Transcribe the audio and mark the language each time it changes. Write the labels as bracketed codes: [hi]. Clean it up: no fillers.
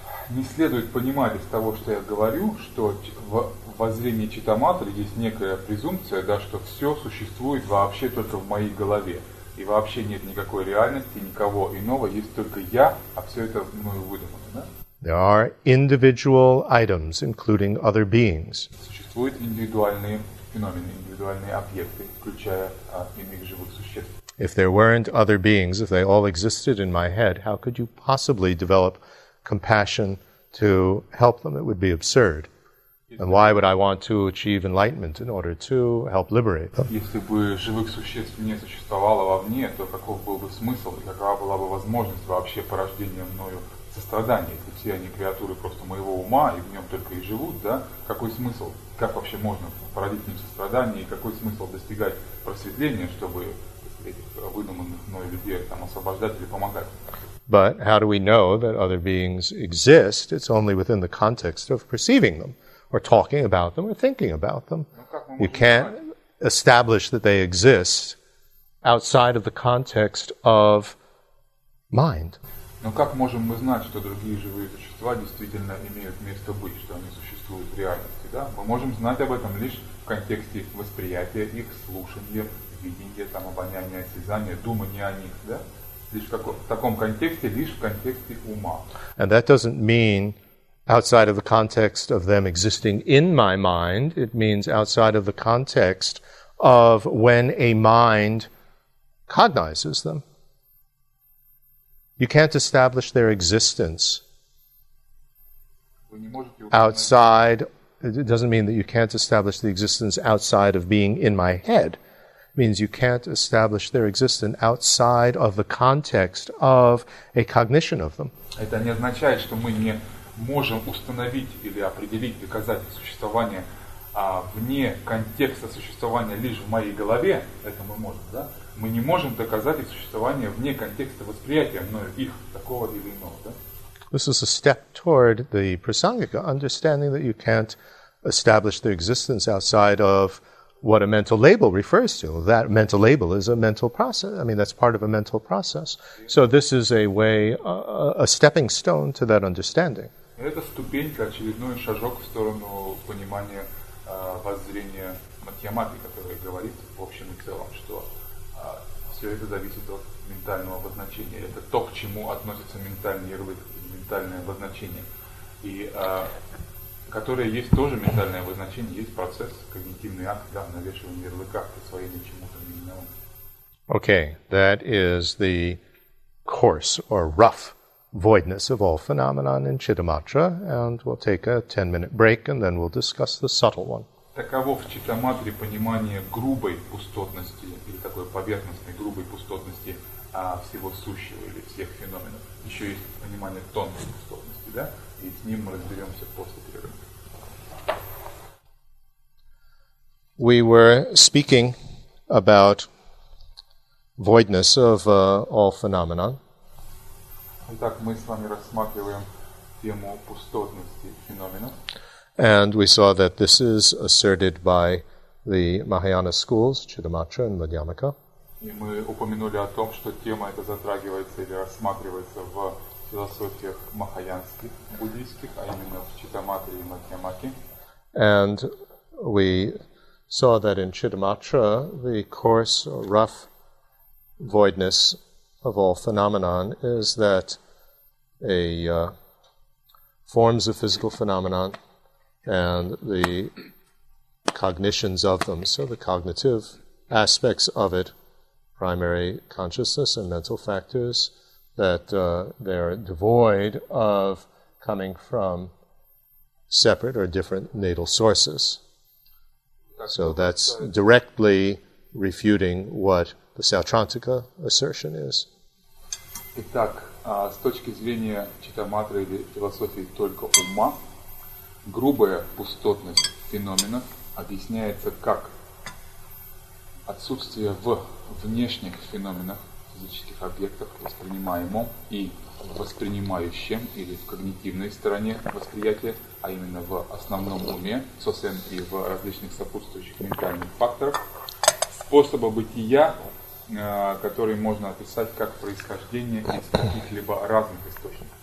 [ru] Не следует понимать из того, что я говорю, что в воззрении Читаматры есть некая презумпция, да, что все существует вообще только в моей голове. И вообще нет никакой реальности, никого иного, есть только я, а все это мною выдумано. Да? [en] There are individual items, including other beings. [ru] Существуют индивидуальные феномены, индивидуальные объекты, включая иных живых существ. [en] If there weren't other beings, if they all existed in my head, how could you possibly develop compassion to help them? It would be absurd. And why would I want to achieve enlightenment in order to help liberate them? [ru] Если бы живых существ не существовало вовне, то каков был бы смысл и какова была бы возможность вообще порождения мною сострадания? Ведь все они креатуры просто моего ума, и в нем только и живут, да? Какой смысл? Как вообще можно породить в нем сострадание? И какой смысл достигать просветления, чтобы выдуманных мною людей там освобождать или помогать? [en] But how do we know that other beings exist? It's only within the context of perceiving them, or talking about them, or thinking about them. You can't establish that they exist outside of the context of mind. [ru] Но как можем мы знать, что другие живые существа действительно имеют место быть, что они существуют в реальности? Да? Мы можем знать об этом лишь в контексте восприятия их, слушания, видения, там, обоняния, осязания, думания о них, да? [en] And that doesn't mean outside of the context of them existing in my mind. It means outside of the context of when a mind cognizes them. You can't establish their existence outside. It doesn't mean that you can't establish the existence outside of being in my head. Means you can't establish their existence outside of the context of a cognition of them. [ru] Это не означает, что мы не можем установить или определить доказать существование вне контекста существования лишь в моей голове. Это мы можем, да? Мы не можем доказать их существование вне контекста восприятия мною их такого или иного, да? [en] This is a step toward the prasangika, understanding that you can't establish their existence outside of what a mental label refers to. That mental label is a mental process. I mean, that's part of a mental process. So this is a way, a stepping stone to that understanding. [ru] Это ступенька, очередной шажок в сторону понимания воззрения Матхьямадхи, который говорит в общем и целом, что все это зависит от ментального обозначения. Это то, к чему относится ментальный ярлык, ментальное обозначение. И которое есть тоже ментальное обозначение, есть процесс, когнитивный акт, да, навешивание ярлыка, присвоение чему-то именному. [en] Okay, that is the coarse or rough voidness of all phenomena in Chittamatra, and we'll take a 10-minute break, and then we'll discuss the subtle one. [ru] Таково в Читаматре понимание грубой пустотности, или такой поверхностной грубой пустотности всего сущего, или всех феноменов. Еще есть понимание тонкой пустотности, да, и с ним мы разберемся после перерыва. [en] We were speaking about voidness of all phenomena. [ru] Итак, мы с вами рассматриваем тему пустотности феномена. [en] And we saw that this is asserted by the Mahayana schools, Chittamatra and Madhyamaka. [ru] И мы упомянули о том, что тема эта затрагивается или рассматривается в философиях махаянских, буддийских, а именно в Читаматре и Мадхьямаке. [en] And we saw that in Chittamatra, the coarse or rough voidness of all phenomenon is that a forms of physical phenomenon and the cognitions of them, so the cognitive aspects of it, primary consciousness and mental factors, that they're devoid of coming from separate or different natal sources. So that's directly refuting what the Sautrantika assertion is. [ru] Итак, с точки зрения Читаматры или философии только ума, грубая пустотность феноменов объясняется как отсутствие в внешних феноменах физических объектов воспринимаемом и воспринимающем, или в когнитивной стороне восприятия, а именно в основном уме, сосен и в различных сопутствующих ментальных факторах, способа бытия, который можно описать как происхождение из каких-либо разных источников.